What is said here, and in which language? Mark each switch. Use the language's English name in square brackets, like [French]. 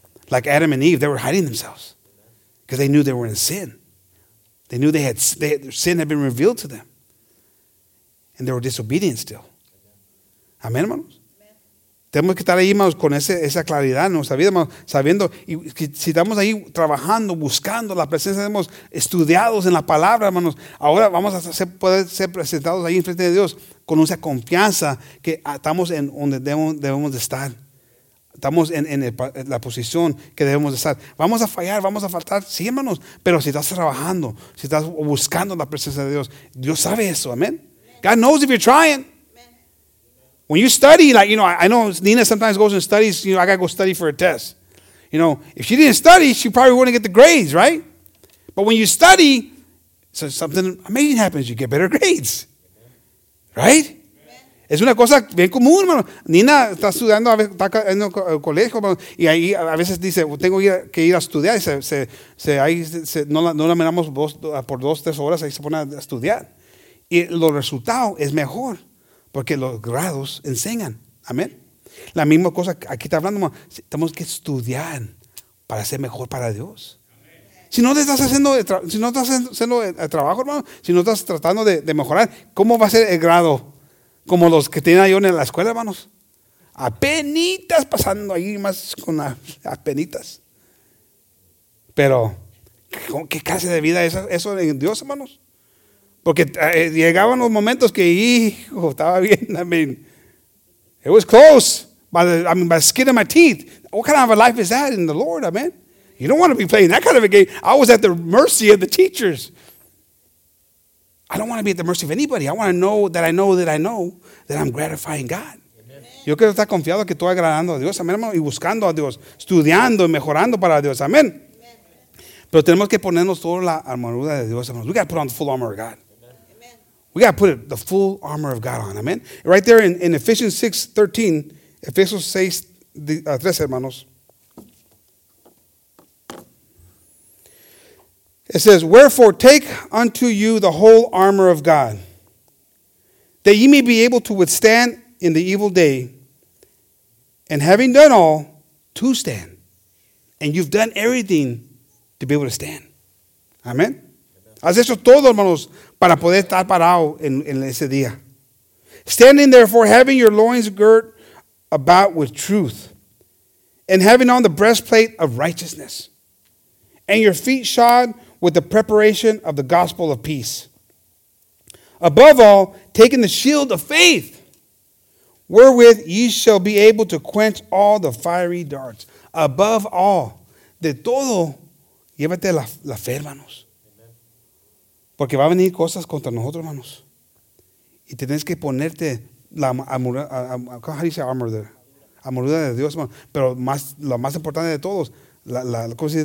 [English] Like Adam and Eve, they were hiding themselves because they knew they were in sin. They knew their sin had been revealed to them. And they were disobedient still. [Spanish] Amén, hermanos. Tenemos que estar ahí, hermanos, con esa claridad, ¿no? Sabiendo, y si estamos ahí trabajando, buscando la presencia de Dios, estudiados en la palabra, hermanos, ahora vamos a poder ser presentados ahí enfrente de Dios con esa confianza que estamos en donde debemos de estar. Estamos en la posición que debemos de estar. Vamos a fallar, vamos a faltar, sí, hermanos, pero si estás trabajando, si estás buscando la presencia de Dios, Dios sabe eso, amén. [English] God knows if you're trying. When you study, like, you know, I know Nina sometimes goes and studies, you know, I got to go study for a test. You know, if she didn't study, she probably wouldn't get the grades, right? But when you study, so something amazing happens. You get better grades, right? [Spanish] Es una cosa bien común, hermano. Nina está estudiando, está en el colegio, hermano, y ahí a veces dice, tengo que ir a estudiar. Y no la miramos por 2-3 horas, ahí se pone a estudiar. Y los resultados es mejor. Porque los grados enseñan. Amén. La misma cosa aquí está hablando. Tenemos que estudiar para ser mejor para Dios. Si no estás haciendo el trabajo, hermano, si no estás tratando de mejorar, ¿cómo va a ser el grado? Como los que tienen ahí en la escuela, hermanos. Apenitas pasando ahí más con apenitas. Pero, ¿qué clase de vida es eso en Dios, hermanos? Porque llegaban los momentos que, hijo, estaba bien. [English] I mean, it was close. By the skin of my teeth. What kind of a life is that in the Lord? Amen. You don't want to be playing that kind of a game. I was at the mercy of the teachers. I don't want to be at the mercy of anybody. I want to know that I know that I know that I'm gratifying God. [Spanish] Amen. Yo quiero estar confiado que estoy agradando a Dios. Amén, hermano. Y buscando a Dios. Estudiando y mejorando para Dios. Amén. Pero tenemos que ponernos toda la armadura de Dios. [English] Amen. We got to put on the full armor of God. We got to put the full armor of God on. Amen. Right there in Ephesians 6:13, Ephesians 6:13, hermanos. It says, wherefore, take unto you the whole armor of God, that ye may be able to withstand in the evil day, And having done all, to stand. And you've done everything to be able to stand. [Spanish] Amén. Has hecho todo, hermanos, para poder estar parado en ese día. [English] Standing therefore, having your loins girt about with truth, and having on the breastplate of righteousness, and your feet shod with the preparation of the gospel of peace. Above all, taking the shield of faith, wherewith ye shall be able to quench all the fiery darts. Above all, [Spanish] de todo, llévate la fe, hermanos. Porque va a venir cosas contra nosotros, hermanos. Y tienes que ponerte la armadura de Dios, hermano. Pero más, lo más importante de todos, ¿cómo se dice?